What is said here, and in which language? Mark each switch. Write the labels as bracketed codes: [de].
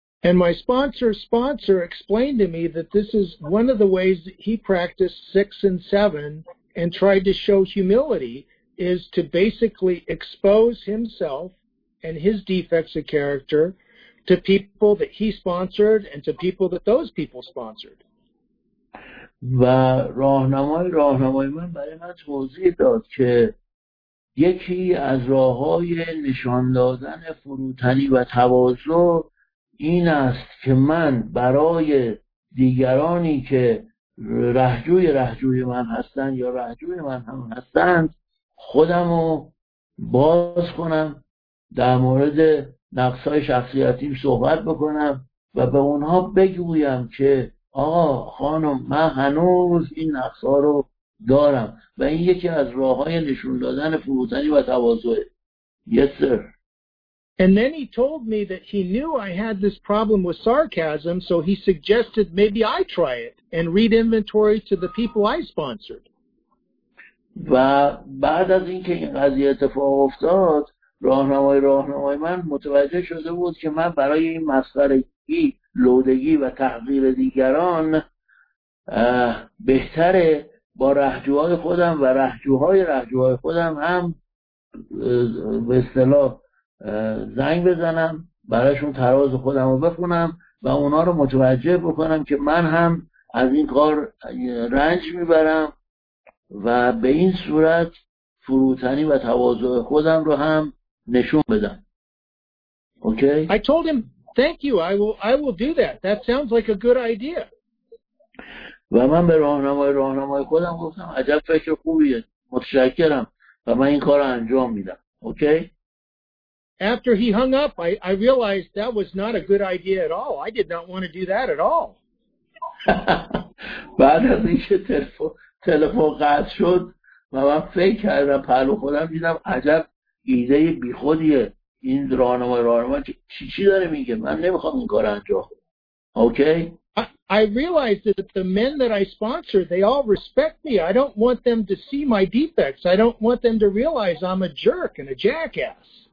[en] And my sponsor explained to me that this is one of the ways that he practiced 6 and 7 and tried to show humility is to basically expose himself and his defects of character to people that he sponsored and to people that those people sponsored. [fa] و راهنمای من برای من توضیح داد که یکی از راه‌های نشان دادن فروتنی و تواضع این است که من برای دیگرانی که رهجوی من هستند یا رهجوی من هم هستند خودمو باز کنم، در مورد نقصهای شخصیتیم صحبت بکنم و به اونها بگویم که آه خانم من هنوز این نقصها رو دارم و این یکی از راه‌های نشون دادن فروتنی و تواضع. [en] Yes, sir. And then he told me that he knew I had this problem with sarcasm, so he suggested maybe I try it and read inventory to the people I sponsored. [fa] و بعد از اینکه این قضیه اتفاق افتاد، راهنمای من متوجه شده بود که من برای این مسخرگی، لودگی و تحقیر دیگران بهتره با رهجوهای خودم و رهجوهای خودم هم به اصطلاح زنگ بزنم، برایشون تراز خودم رو بخونم و اونا رو متوجه بکنم که من هم از این کار رنج میبرم و به این صورت فروتنی و تواضع خودم رو هم نشون بدم. [en] Okay? I told him thank you. I will do that. That sounds like a good idea. [fa] و من به راهنمای خودم گفتم عجب فکر خوبیه. متشکرم و من این کارو انجام میدم. [en] Okay? After he hung up, I realized that was not a good idea at all. I did not want to do that at all. [fa] بعد از اینکه تلفن قطع شد و من فکر کردم پلو خودم، دیدم عجب ایده بی خودیه این راهنما چی داره میگه، من نمیخوام این کار انجام بدم. [en] Okay? I realized that the men that I sponsor, they all respect me. I don't want them to see my defects. I don't want them to realize I'm a jerk and a jackass.